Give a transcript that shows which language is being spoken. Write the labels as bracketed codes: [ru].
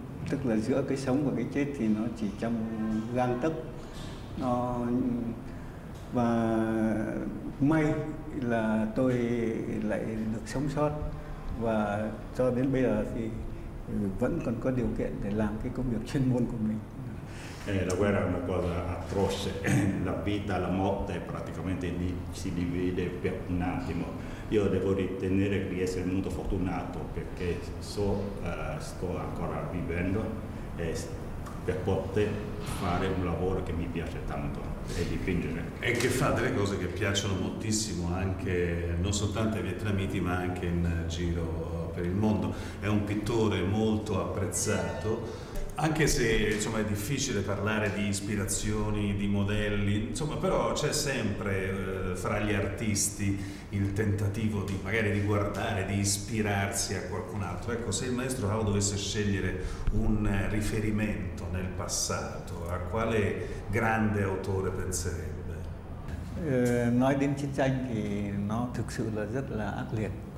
[vi] tức là giữa cái sống và cái chết thì nó chỉ trong gang tấc. Nó và may là tôi lại được sống sót và cho đến bây giờ thì vẫn còn có điều kiện để làm cái công việc chuyên môn của mình. [it] La guerra è una cosa atroce, la vita, la morte praticamente si divide per un attimo. Io devo ritenere di essere molto fortunato perché sto ancora vivendo e per poter fare un lavoro che mi piace tanto, e dipingere. E che fa delle cose che piacciono moltissimo anche, non soltanto ai vietnamiti, ma anche in giro per il mondo. È un pittore molto apprezzato. Anche se insomma è difficile parlare di ispirazioni, di modelli, insomma, però c'è sempre fra gli artisti il tentativo di magari di guardare, di ispirarsi a qualcun altro. Ecco, se il maestro Hau dovesse scegliere un riferimento nel passato, a quale grande autore penserebbe? [vi] Nói đến chiến tranh thì nó thực sự là rất là ác liệt.